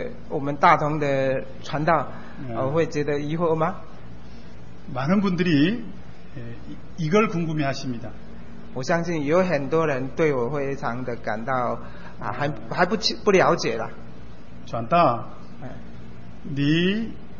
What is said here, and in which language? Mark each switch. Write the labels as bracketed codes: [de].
[zh] 我们大同的传道会觉得疑惑吗？ [ko] 많은 분들이 이걸 궁금해하십니다. [zh] 我相信有很多人对我非常的感到还不了解了。传道，你